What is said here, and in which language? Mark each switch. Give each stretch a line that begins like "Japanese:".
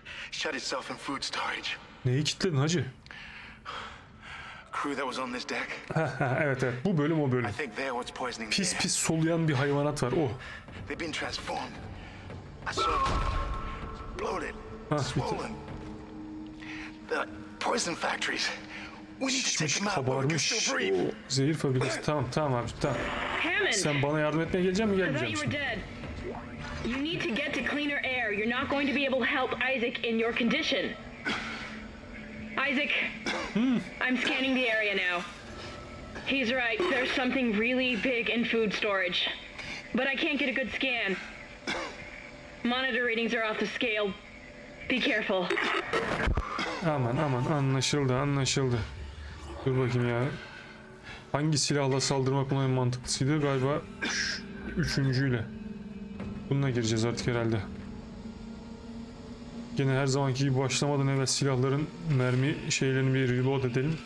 English: Shut itself in food storage.
Turkish: Neyi kilitledin hacı?
English: Crew that was on this deck.
Turkish: Evet evet, bu bölüm o bölüm. Pis pis soluyan bir hayvanat var o.
English: They've been transformed. I saw bloated, swollen. The poison factories. We need to take them out before they still breathe.
Turkish: Zehir fabrikası. Tamam tamam abi, tamam. Sen bana yardım etmeye geleceksin mi, gelmeyeceksin?
English: You need to get to cleaner air. You're not going to be able to help Isaac in your condition. Isaac, I'm scanning the area now. He's right. There's something really big in food storage. But I can't get a good scan. Monitor readings are off the scale. Be careful.
Turkish: Aman aman, anlaşıldı anlaşıldı. Dur bakayım ya. Hangi silahla saldırmak buna en mantıklısıydı? Galiba üçüncüyle. Bununla gireceğiz artık herhalde. Gene her zamanki gibi başlamadan evvel silahların mermi şeylerini bir reload edelim.